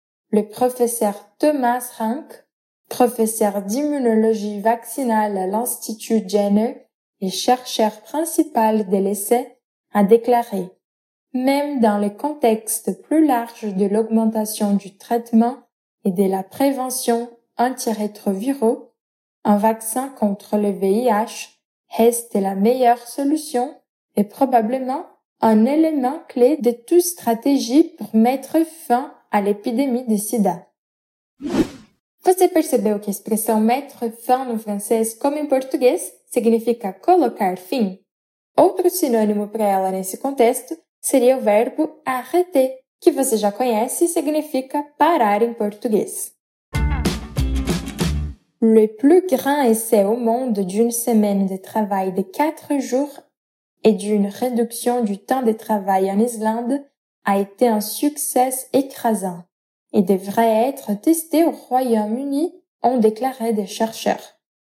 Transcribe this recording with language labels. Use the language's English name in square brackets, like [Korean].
[French] Le professeur Thomas Rank, professeur d'immunologie vaccinale à l'Institut Jenner et chercheur principal de l'essai, a déclaré « Même dans le contexte plus large de l'augmentation du traitement et de la prévention antirétroviraux, un vaccin contre le VIH reste la meilleure solution et probablement un élément clé de toute stratégie pour mettre fin à l'épidémie de sida. [Portuguese] Você percebeu que a expressão mettre fin no francês, como em português, significa colocar fim? Outro sinônimo para ela nesse contexto seria o verbo arrêter, que você já conhece e significa parar em português. [French] Le plus grand essai au monde d'une semaine de travail de 4 jours et d'une réduction du temps de travail en Islande a été un succès écrasant et devrait être testé au Royaume-Uni, ont déclaré des chercheurs.